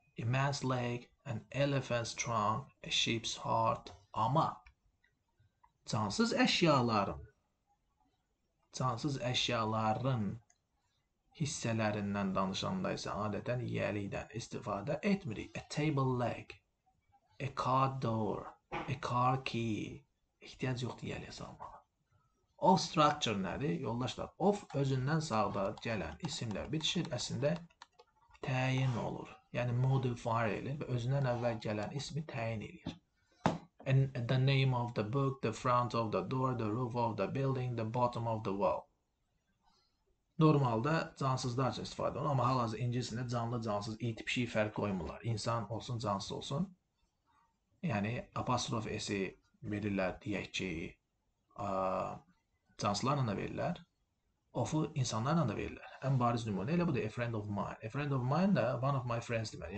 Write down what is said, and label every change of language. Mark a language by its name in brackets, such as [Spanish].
[English] A man's leg, an elephant's trunk, a sheep's heart. [Azerbaijani] Ama cansız eşyaların hisselerinden danışandaysa adeten yerliden istifade etmirik. [English] A table leg, a car door, a car key. [Azerbaijani] İhtiyac yoxdur yəliyə salmağa. O structure nədir? Yoldaşlar, of özündən sağda gələn isimlər bitişir. Əslində, təyin olur. Yəni, modify edir və özündən əvvəl gələn ismi təyin edir. [English] And the name of the book, the front of the door, the roof of the building, the bottom of the wall. [Azerbaijani] Normalda cansızlar üçün istifadə olunur. Amma hal-hazırda İngilisində canlı cansız iyi tip şey fərq qoymurlar. İnsan olsun, cansız olsun. Yəni apostrof S-i verirlər deyək ki, canslılarla da verirlər. Of-u insanlarla da verirlər. Ən bariz nümunə elə budur. [English] A friend of mine. A friend of mine da one of my friends [Azerbaijani] deməli.